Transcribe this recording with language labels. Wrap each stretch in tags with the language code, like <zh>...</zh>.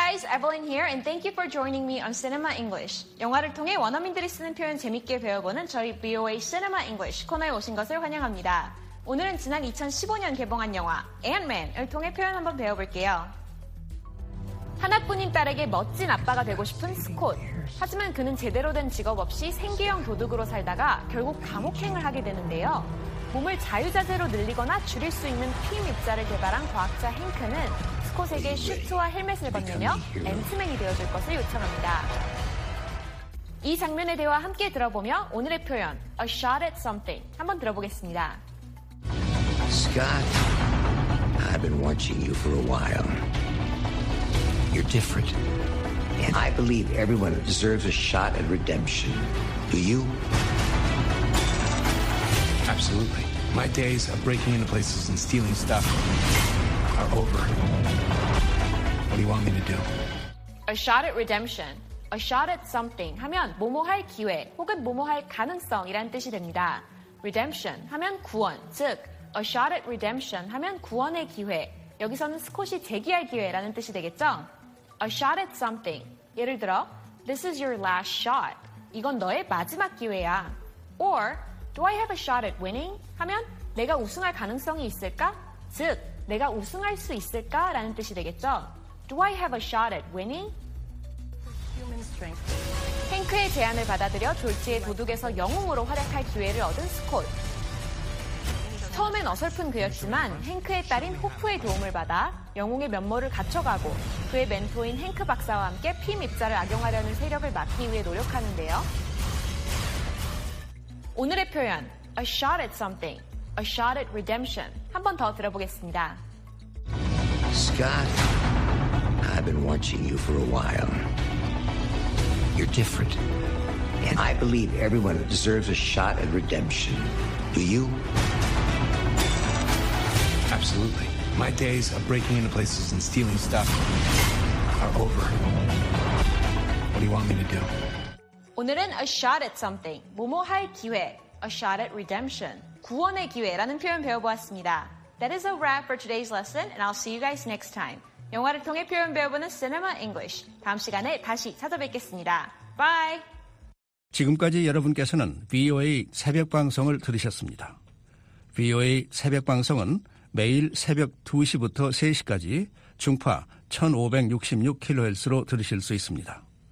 <en>Evelyn here, and thank you for joining me on Cinema English.</en> <ko>영화를 통해 원어민들이 쓰는 표현 재밌게 배워보는 저희 BOA Cinema English 코너에 오신 것을 환영합니다. 오늘은 지난 2015년 개봉한 영화 Ant-Man을 통해 표현 한번 배워볼게요. 하나뿐인 딸에게 멋진 아빠가 되고 싶은 스콧. 하지만 그는 제대로 된 직업 없이 생계형 도둑으로 살다가 결국 감옥행을 하게 되는데요. 몸을 자유자재로 늘리거나 줄일 수 있는 핌 입자를 개발한 과학자 헹크는 스콧에게 슈트와 헬멧을 건네며 앤트맨이 되어줄 것을 요청합니다. 이 장면의 대화 함께 들어보며 오늘의 표현,</ko> <en>A shot at something,</en> <ko>한번 들어보겠습니다.</ko> <en>Scott, I've been watching you for a while. You're different. And I believe everyone deserves a shot at redemption. Do you? Absolutely. My days of breaking into places and stealing stuff are over. What do you want me to do? A shot at redemption. A shot at something</en> <ko>하면 뭐뭐할 기회 혹은 뭐뭐할 가능성이란 뜻이 됩니다. Redemption 하면 구원, 즉</ko> <en>A shot at redemption</en> <ko>하면 구원의 기회. 여기서는 스콧이 재기할 기회라는 뜻이 되겠죠?</ko> <en>A shot at something.</en> <ko>예를 들어,</ko> <en>This is your last shot.</en> <ko>이건 너의 마지막 기회야.</ko> <en>Or, Do I have a shot at winning?</en> <ko>하면 내가 우승할 가능성이 있을까? 즉, 내가 우승할 수 있을까? 라는 뜻이 되겠죠.</ko> <en>Do I have a shot at winning? Human strength.</en> <ko>헹크의 제안을 받아들여 졸지의 도둑에서 영웅으로 활약할 기회를 얻은 스콧. 처음엔 어설픈 그였지만 헹크의 딸인 호프의 도움을 받아 영웅의 면모를 갖춰가고 그의 멘토인 헹크 박사와 함께 핌 입자를 악용하려는 세력을 막기 위해 노력하는데요. 오늘의 표현,</ko> <en>a shot at something, a shot at redemption.</en> <ko>한 번 더 들어보겠습니다.</ko> <en>Scott, I've been watching you for a while. You're different. And I believe everyone deserves a shot at redemption. Do you? Absolutely. My days of breaking into places and stealing stuff are over. What do you want me to do?</en> <ko>오늘은</ko> <en>a shot at something,</en> <ko>뭐뭐할 기회,</ko> <en>a shot at redemption,</en> <ko>구원의 기회라는 표현 배워보았습니다.</ko> <en>That is a wrap for today's lesson, and I'll see you guys next time.</en> <ko>영화를 통해 표현 배워보는 Cinema English. 다음 시간에 다시 찾아뵙겠습니다.</ko> <en>Bye!</en> <ko>지금까지 여러분께서는 VOA 새벽 방송을 들으셨습니다. VOA 새벽 방송은 매일 새벽 2시부터 3시까지 중파 1566kHz로 들으실 수 있습니다.</ko>